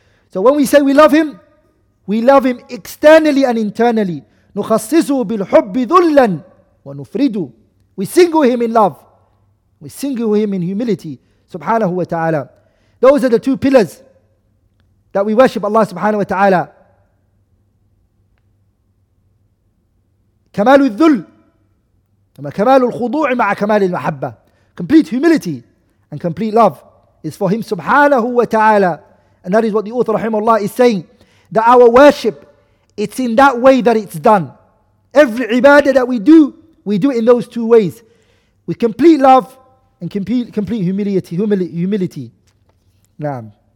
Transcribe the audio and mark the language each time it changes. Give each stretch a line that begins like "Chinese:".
English: So when we say we love him externally and internally.
Arabic: نخصصه بالحب ذلا ونفرده.
English: We sing with him in love. We sing with him in humility subhanahu wa ta'ala. Those are the two pillars that we worship Allah subhanahu wa ta'ala.
Arabic: كمال الذل كمال الخضوع مع كمال المحبة.
English: Complete humility and complete love is for him subhanahu wa ta'ala. And that is what the author rahimahullah is saying, that our worship, it's in that way that it's done. Every ibadah that we do in those two ways, with complete love and complete humility. Naam.